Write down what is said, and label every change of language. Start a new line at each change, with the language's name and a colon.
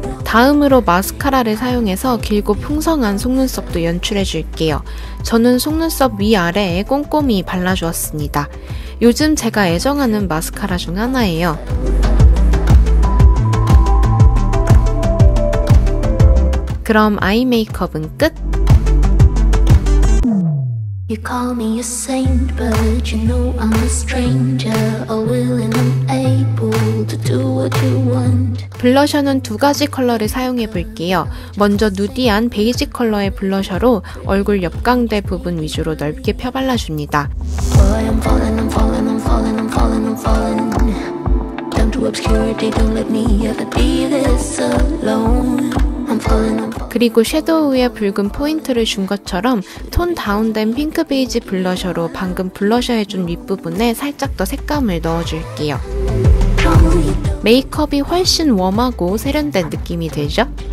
Korean: 다음으로 마스카라를 사용해서 길고 풍성한 속눈썹도 연출해줄게요. 저는 속눈썹 위아래에 꼼꼼히 발라주었습니다. 요즘 제가 애정하는 마스카라 중 하나예요. 그럼 아이 메이크업은 끝!
English: You call me a saint, but you know I'm a stranger, a willing and able to do what you want.
Korean: 블러셔는 두 가지 컬러를 사용해 볼게요. 먼저 누디한 베이지 컬러의 블러셔로 얼굴 옆광대 부분 위주로 넓게 펴 발라줍니다.
English: Boy, I'm falling, I'm falling, I'm falling, I'm falling, I'm falling. Down to obscurity, don't let me ever be this alone.
Korean: 그리고 섀도우에 붉은 포인트를 준 것처럼 톤 다운된 핑크 베이지 블러셔로 방금 블러셔해준 윗부분에 살짝 더 색감을 넣어줄게요. 메이크업이 훨씬 웜하고 세련된 느낌이 들죠?